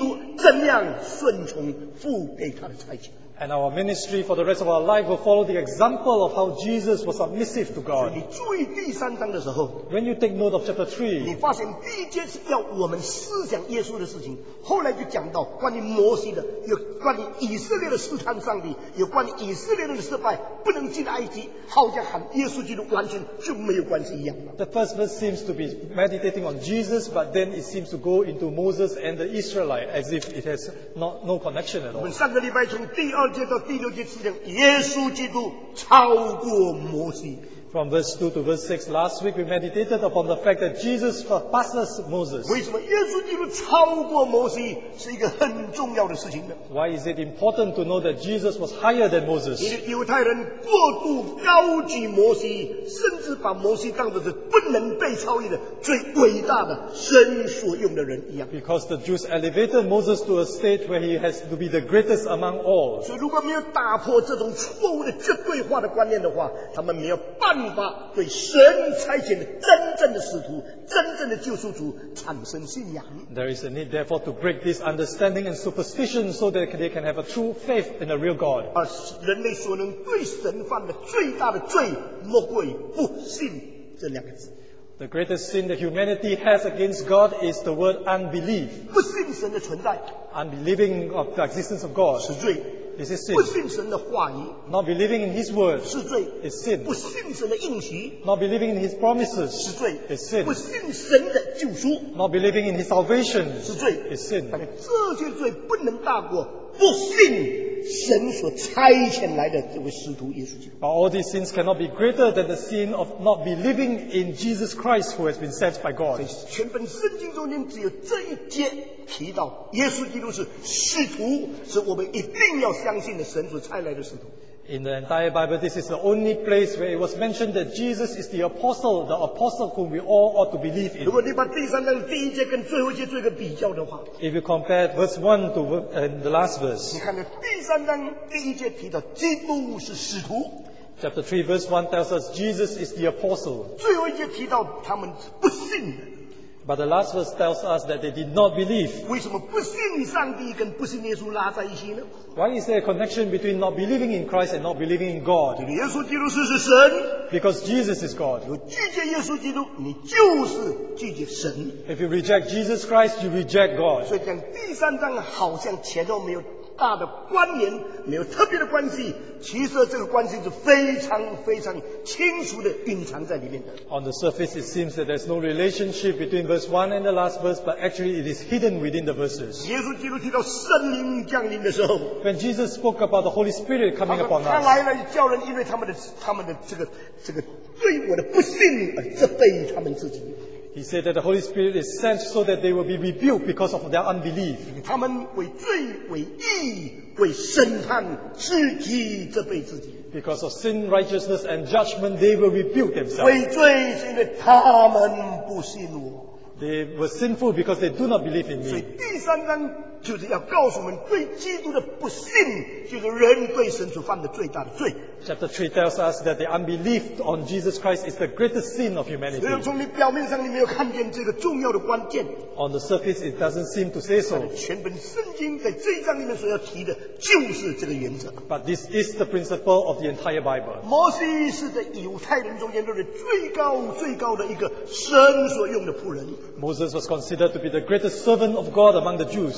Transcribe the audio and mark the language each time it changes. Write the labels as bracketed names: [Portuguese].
[Chinese] 我们的侍奉要一生一世效法基督怎样顺从父给他的差遣。 [English] And our ministry for the rest of our life will follow the example of how Jesus was submissive to God. [Chinese] 所以你注意第三章的时候, [English] when you take note of chapter 3, [Chinese] 你发现第一节是要我们思想耶稣的事情, 后来就讲到关于摩西的, 有关于以色列的试探上帝, 有关于以色列人的失败, 不能进埃及, 好像和耶稣基督完全就没有关系一样。 [English] The first verse seems to be meditating on Jesus, but then it seems to go into Moses and the Israelites as if it has no connection at all. [Chinese] 我们上个礼拜从第二 [English] From verse 2 to verse 6, last week we meditated upon the fact that Jesus surpasses Moses. Why is it important to know that Jesus was higher than Moses? Because [Chinese] 能被超越的最伟大的神所用的人一样。 [English] Because the Jews elevated Moses to a state where he has to be the greatest among all. [Chinese] 所以如果没有打破这种错误的绝对化的观念的话，他们没有办法对神差遣的真正的使徒、真正的救赎主产生信仰。 [English] There is a need, therefore, to break this understanding and superstition so that they can have a true faith in a real God. [Chinese] 而人类所能对神犯的最大的罪，莫过于不信。 [English] The greatest sin that humanity has against God is the word unbelief. [Chinese] 不信神的存在。 [English] Unbelieving of the existence of God. [Chinese] 是罪。 [English] This is sin. [Chinese] 不信神的话语。 [English] Not believing in His word. [Chinese] 是罪。 [English] Is sin. [Chinese] 不信神的应许。 [English] Not believing in His promises. [Chinese] 是罪。 [English] Is sin. [Chinese] 不信神的救赎。 [English] Not believing in His salvation. [Chinese] 是罪。 [English] Is sin. [Chinese] 这些罪不能大过不信。神所差遣来的这位使徒耶稣基督。 [English] But all these sins cannot be greater than the sin of not believing in Jesus Christ who has been sent by God. [Chinese] 全本圣经中间只有这一节提到耶稣基督是使徒，是我们一定要相信的神所差来的使徒。 [English] In the entire Bible, this is the only place where it was mentioned that Jesus is the apostle whom we all ought to believe in. [Chinese] 如果你把第三章第一节跟最后一节做一个比较的话， [English] if you compare verse 1 to the last verse, [Chinese] 你看第三章第一节提到基督是使徒， [English] chapter 3 verse 1 tells us Jesus is the apostle. [Chinese] 最后一节提到他们不信。 [English] But the last verse tells us that they did not believe. [Chinese] 为什么不信上帝跟不信耶稣拉在一起呢？ [English] Why is there a connection between not believing in Christ and not believing in God? [Chinese] 耶稣基督是神。 [English] Because Jesus is God. [Chinese] 你拒绝耶稣基督，你就是拒绝神。 [English] If you reject Jesus Christ, you reject God. [Chinese] 所以讲第三章好像前后没有大的关联，没有特别的关系，其实这个关系是非常非常清楚的蕴藏在里面的。 [English] On the surface, it seems that there's no relationship between verse 1 and the last verse, but actually it is hidden within the verses. [Chinese] 耶稣基督提到圣灵降临的时候， [English] When Jesus spoke about the Holy Spirit coming upon us, [Chinese] 他来了，叫人因为他们的这个对我的不信而责备他们自己。 [English] He said that the Holy Spirit is sent so that they will be rebuked because of their unbelief. [Chinese] 他们为罪、为义、为审判自己责备自己。 [English] Because of sin, righteousness, and judgment, they will rebuke themselves. [Chinese] 为罪是因为他们不信我。 [English] They were sinful because they do not believe in me. [Chinese] 所以第三章就是要告诉我们，对基督的不信，就是人对神所犯的最大的罪。 [English] Chapter 3 tells us that the unbelief on Jesus Christ is the greatest sin of humanity. [Chinese] 所以从你表面上你没有看见这个重要的关键。 [English] On the surface, it doesn't seem to say so. [Chinese] 全本圣经在这一章里面所要提的就是这个原则。 [English] But this is the principle of the entire Bible. [Chinese] 摩西是在犹太人中间认为最高最高的一个神所用的仆人。 [English] Moses was considered to be the greatest servant of God among the Jews.